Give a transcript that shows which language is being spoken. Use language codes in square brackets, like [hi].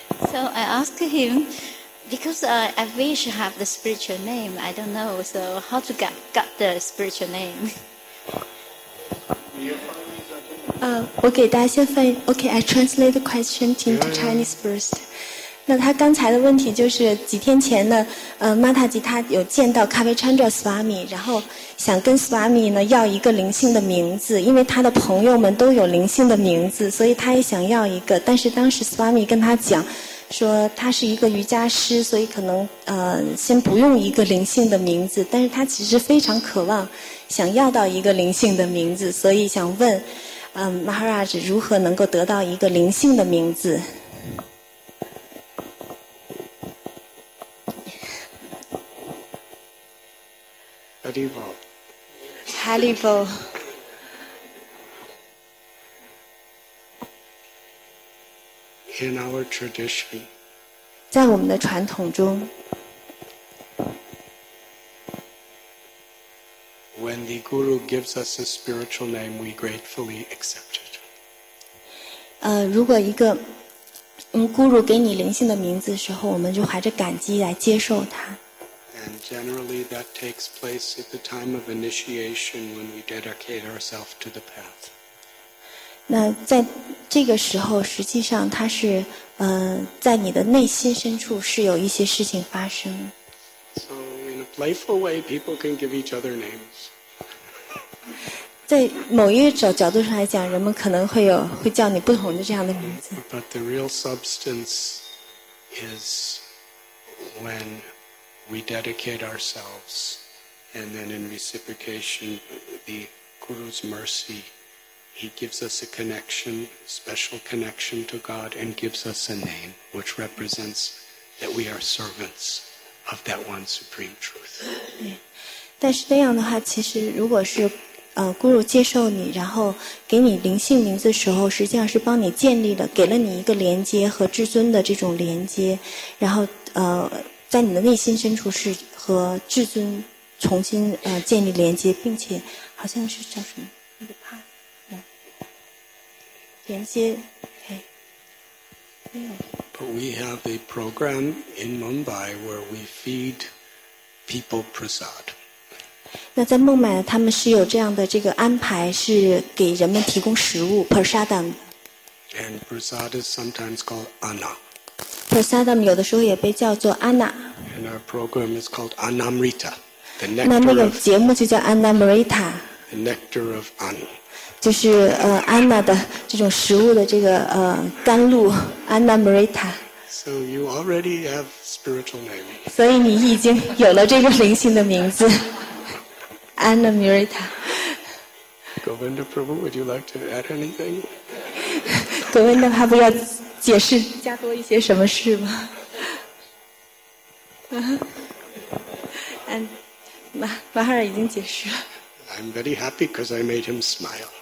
[en] So I asked him, because I wish I have the spiritual name, I don't know, so how to get the spiritual name? Okay, I translate the question into Chinese first. [zh] 那他刚才的问题就是几天前呢Mataji 他有见到 Kavichandra Swami, 然后想跟 Swami 呢要一个灵性的名字，因为他的朋友们都有灵性的名字，所以他也想要一个，但是当时 Swami 跟他讲说他是一个瑜伽师，所以可能先不用一个灵性的名字，但是他其实非常渴望想要到一个灵性的名字，所以想问Maharaj 如何能够得到一个灵性的名字。 Halibut. [en] In our tradition. [zh] 在我们的传统中。 [en] When the guru gives us a spiritual name, we gratefully accept it. [zh] 如果一个guru 给你灵性的名字的时候，我们就怀着感激来接受它。 [en] And generally that takes place at the time of initiation when we dedicate ourselves to the path. [zh] 那在这个时候实际上它是在你的内心深处是有一些事情发生。 [en] So in a playful way, people can give each other names. [zh] 在某一个角度上来讲，人们可能会叫你不同的这样的名字。 [en] But the real substance is when... We dedicate ourselves, and then in reciprocation, the Guru's mercy, he gives us a connection, special connection to God, and gives us a name, which represents that we are servants of that one supreme truth. [zh] 但是那样的话，其实如果是Guru 接受你，然后给你灵性名字的时候，实际上是帮你建立了，给了你一个连接和至尊的这种连接，然后在你的内心深处是和至尊重新建立连接，并且好像是叫什么那个 part 连接 OK 没有 [en] But we have a program in Mumbai where we feed people prasad. [zh] 那在孟买呢，他们是有这样的这个安排，是给人们提供食物 prasadam. [en] And prasad is sometimes called anna. [zh] Prasadam 有的时候也被叫做 anna. [en] And our program is called anamrita. [zh] 那那个节目就叫 anamrita. [en] The nectar of anna. [zh] 就是anna的这种食物的这个甘露 anamrita. [en] So you already have spiritual name. [zh] 所以你已经有了这个灵性的名字 ，Anamrita. [en] Govinda Prabhu, would you like to add anything? [zh] Govinda Prabhu, 要解释加多一些什么事吗 ？And Mahara 已经解释了。 [en] I'm very happy because I made him smile.